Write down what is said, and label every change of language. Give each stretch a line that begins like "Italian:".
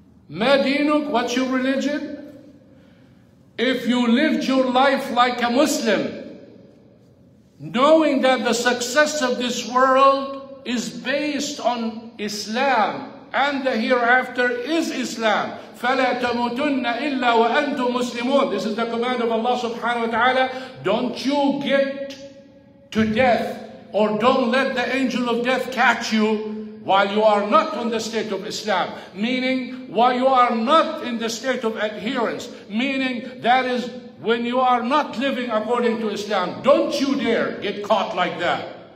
Arabic: ما دينك,
English: what's your religion? If you lived your life like a Muslim, knowing that the success of this world is based on Islam and the hereafter is Islam.
Arabic: فلا تموتن إلا وأنتم مسلمون.
English: This is the command of Allah subhanahu wa ta'ala. Don't you get to death, or don't let the angel of death catch you while you are not in the state of Islam, meaning while you are not in the state of adherence, meaning that is when you are not living according to Islam, don't you dare get caught like that.